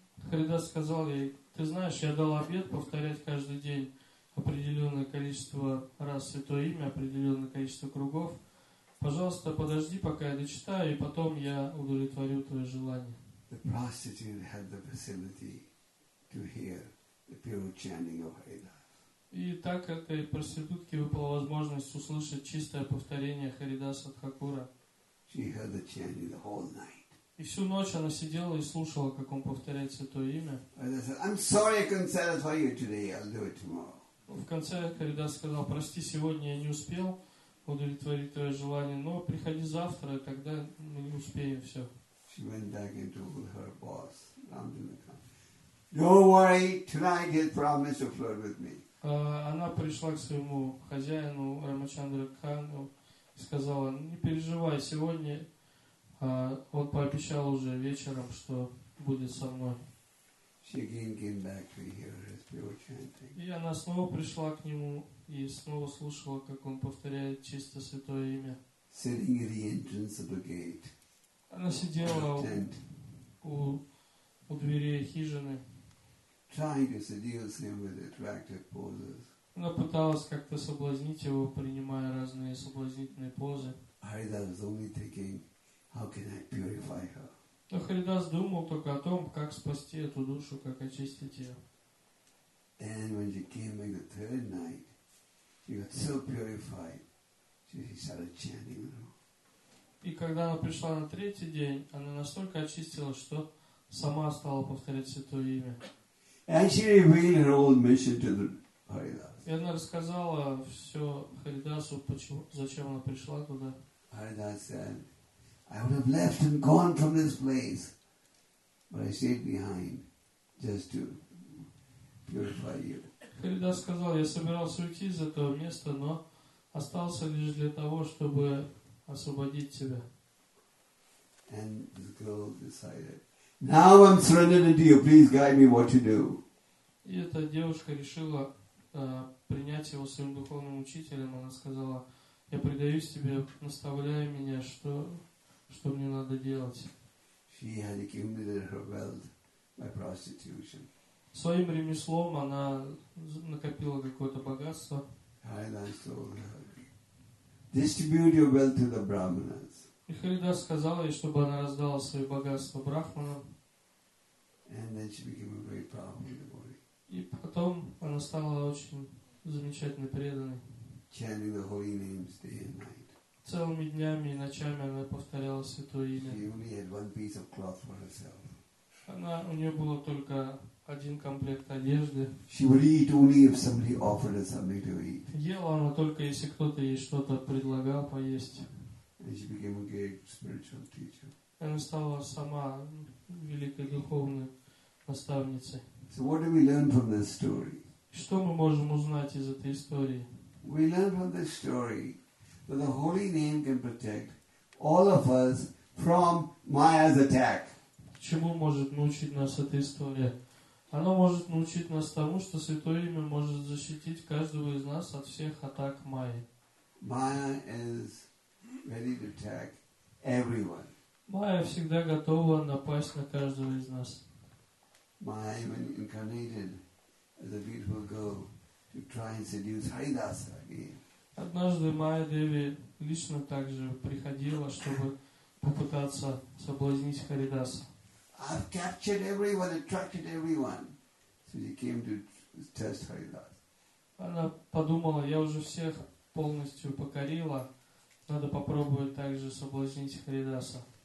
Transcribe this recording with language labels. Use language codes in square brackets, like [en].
[ru] Харидас сказал ей, ты знаешь, я дал обет повторять каждый день определенное количество раз святое имя, определенное количество кругов. Пожалуйста, подожди, пока я дочитаю, и потом я удовлетворю твое желание. [en] The prostitute had the facility to hear the pure chanting of Haridas. [ru] И так этой проститутке выпала возможность услышать чистое повторение Харидаса Тхакура. И всю ночь она сидела и слушала, как он повторяет святое имя. В конце Харидас сказал: «Прости, сегодня я не успел удовлетворить твое желание, но приходи завтра, и тогда мы не успеем все». [en] She went back and told her boss, Ramdinakam. Don't worry, tonight he'll promise to flirt with me. [ru] Она пришла к своему хозяину Рамачандра Кану и сказала: «Не переживай, сегодня он пообещал уже вечером, что будет со мной». [en] She again came back to hear his pure chanting. [ru] И она снова пришла к нему и снова слушала, как он повторяет чисто святое имя. [en] Sitting at the entrance of the gate. [ru] Она сидела у дверей хижины. [en] Trying to seduce him with attractive poses. [ru] Она пыталась как-то соблазнить его, принимая разные соблазнительные позы. [en] Харидас was only thinking, how can I purify her? [ru] Но Харидас думал только о том, как спасти эту душу, как очистить ее. [en] And when she came in the third night, she got so purified, she started chanting. [ru] И когда она пришла на третий день, она настолько очистилась, что сама стала повторять святое имя. [en] And she revealed her old mission to the Haridas. [ru] И она рассказала все Харидасу, почему, зачем она пришла туда. [en] Haridas said, I would have left and gone from this place, but I stayed behind just to purify you. [ru] Харидас сказал, я собирался уйти из этого места, но остался лишь для того, чтобы освободить тебя. [en] And the girl decided, now I'm surrendered to you, please guide me what to do. [ru] И эта девушка решила принять его своим духовным учителем. Она сказала, я предаюсь тебе, наставляй меня, что мне надо делать. [en] She had accumulated her wealth by prostitution. [ru] Своим ремеслом она накопила какое-то богатство. [en] Haridas told her, distribute your wealth to the brahmanas. [ru] И Харидас сказал ей, чтобы она раздала свое богатство брахманам. [en] And then she became a very powerful devotee. [ru] И потом она стала очень замечательной преданной. [en] Chanting the holy names day and night. [ru] Целыми днями и ночами она повторяла святое имя. [en] She only had one piece of cloth for herself. [ru] У нее было только один комплект одежды. [en] She would eat only if somebody offered her something to eat. [ru] Ела она только если кто-то ей что-то предлагал поесть. [en] And she became a great spiritual teacher. [ru] Она стала сама великой духовной наставницей. [en] So what do we learn from this story? [ru] Что мы можем узнать из этой истории? [en] We learn from this story that the holy name can protect all of us from Maya's attack. [ru] Чему может научить нас эта история? Оно может научить нас тому, что Святое Имя может защитить каждого из нас от всех атак Майи. [en] Maya is ready to attack everyone. [ru] Майя всегда готова напасть на каждого из нас. [en] Майя, when incarnated as a beautiful girl, to try and seduce Haridas again. [ru] Однажды Майя Деви лично также приходила, чтобы попытаться соблазнить Харидаса. [en] I've captured everyone, attracted everyone. So she came to test Haridas. [ru] Она подумала, я уже всех полностью покорила, надо попробовать также соблазнить Харидаса.